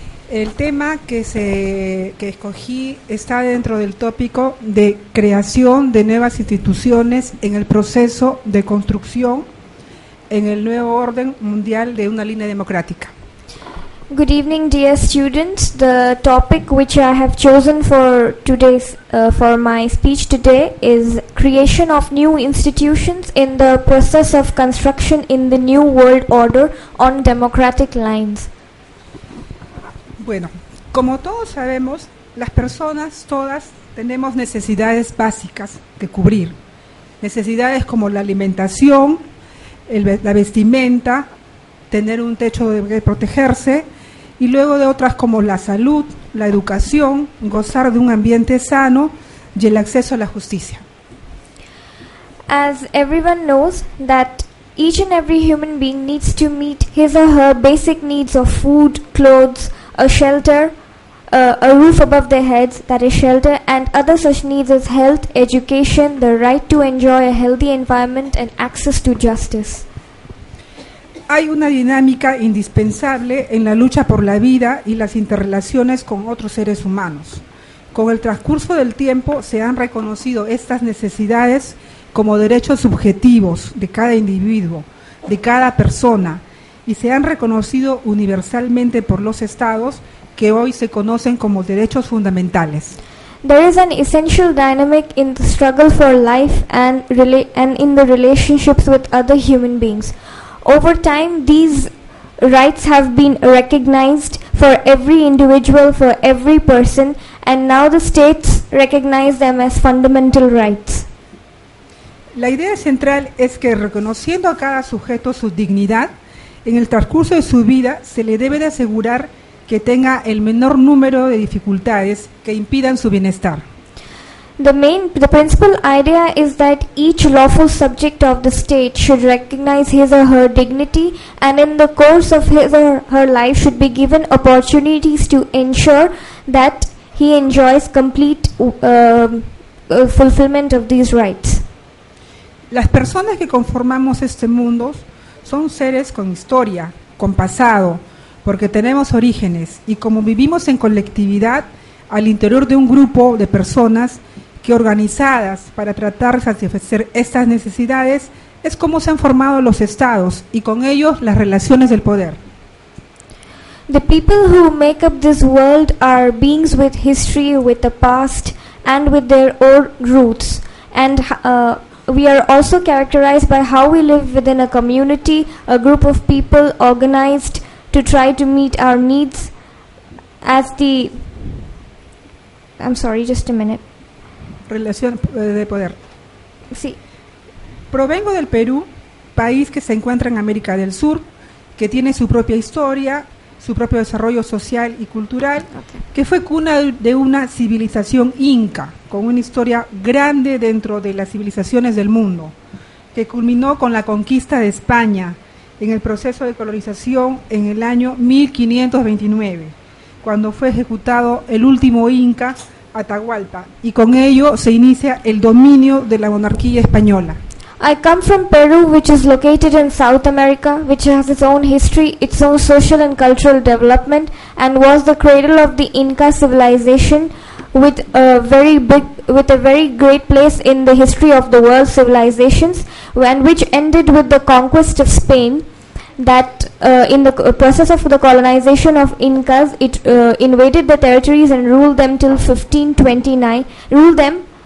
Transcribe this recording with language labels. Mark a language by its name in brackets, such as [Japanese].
[Spanish] El tema que escogí está dentro del tópico de creación de nuevas instituciones en el proceso de construcción en el nuevo orden mundial de una línea democrática. [English] Good evening, dear students. The topic which I have chosen for today's for my speech today is creation of new institutions in the process of construction in the new world order on democratic lines. [Spanish] Bueno, como todos sabemos, las personas todas tenemos necesidades básicas que cubrir. Necesidades como la alimentación, la vestimenta, tener un techo de que protegerse, y luego de otras como la salud, la educación, gozar de un ambiente sano y el acceso a la justicia. [English] As everyone knows that each and every human being needs to meet his or her basic needs of food, clothes, a shelter, a roof above their heads, that is shelter, and other such needs as health, education, the right to enjoy a healthy environment and access to justice. [Spanish] Hay una dinámica indispensable en la lucha por la vida y las interrelaciones con otros seres humanos. Con el transcurso del tiempo se han reconocido estas necesidades como derechos subjetivos de cada individuo, de cada persona, y se han reconocido universalmente por los estados que hoy se conocen como derechos fundamentales. [English] There is an essential dynamic in the struggle for life and in the relationships with other human beings. Over time, these rights have been recognized for every individual, for every person, and now the states recognize them as fundamental rights. [Spanish] La idea central es que reconociendo a cada sujeto su dignidad, en el transcurso de su vida se le debe de asegurar que tenga el menor número de dificultades que impidan su bienestar. [English] The principal idea is that each lawful subject of the state should recognize his or her dignity and in the course of his or her life should be given opportunities to ensure that he enjoys complete fulfillment of these rights. [Spanish] Las personas que conformamos este mundo son seres con historia, con pasado, porque tenemos orígenes y como vivimos en colectividad al interior de un grupo de personas que organizadas para tratar de satisfacer estas necesidades es como se han formado los estados y con ellos las relaciones del poder. [English] The people who make up this world are beings with history, with the past and with their own roots and we are also characterized by how we live within a community, a group of people organized to try to meet our needs as the... I'm sorry, just a minute. [Spanish] Relación de poder. Sí. Provengo del Perú, país que se encuentra en América del Sur, que tiene su propia historia, su propio desarrollo social y cultural, okay, que fue cuna de una civilización inca, con una historia grande dentro de las civilizaciones del mundo, que culminó con la conquista de España en el proceso de colonización en el año 1529, cuando fue ejecutado el último inca, Atahualpa, y con ello se inicia el dominio de la monarquía española. [English] I come from Peru, which is located in South America, which has its own history, its own social and cultural development, and was the cradle of the Inca civilization with a very great place in the history of the world civilizations, and which ended with the conquest of Spain, that in the process of the colonization of Incas, it invaded the territories and ruled them till 1529, ruled them